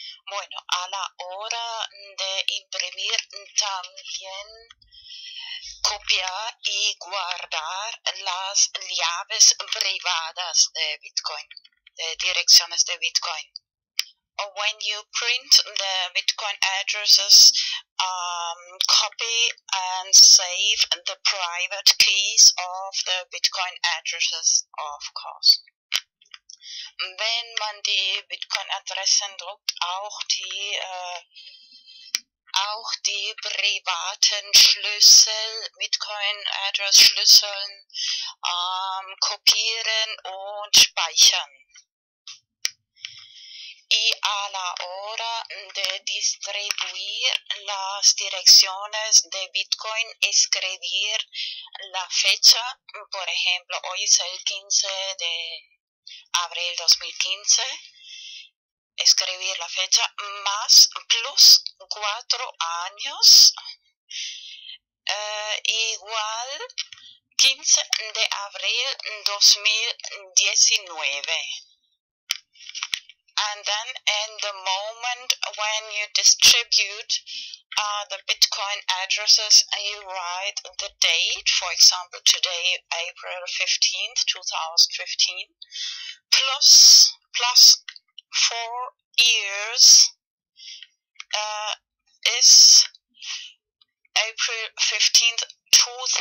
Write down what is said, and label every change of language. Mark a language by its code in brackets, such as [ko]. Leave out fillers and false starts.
[es] Bueno, a la hora de imprimir también copiar y guardar las llaves privadas de Bitcoin. direcciones de Bitcoin. [en] When you print the Bitcoin addresses, copy and save the private keys of the Bitcoin addresses, of course. [de] Wenn man die Bitcoin-Adressen druckt, auch die privaten Schlüssel, Bitcoin-Address-Schlüsseln, kopieren und speichern. [es] Y a la hora de distribuir las direcciones de Bitcoin, escribir la fecha, por ejemplo, hoy es el 15 de abril 2015, escribir la fecha más plus 4 años igual 15 de abril 2019. [en] And then in the moment when you distribute the Bitcoin addresses, you write the date, for example, today, April 15th, 2015, plus 4 years is April 15th, 2019.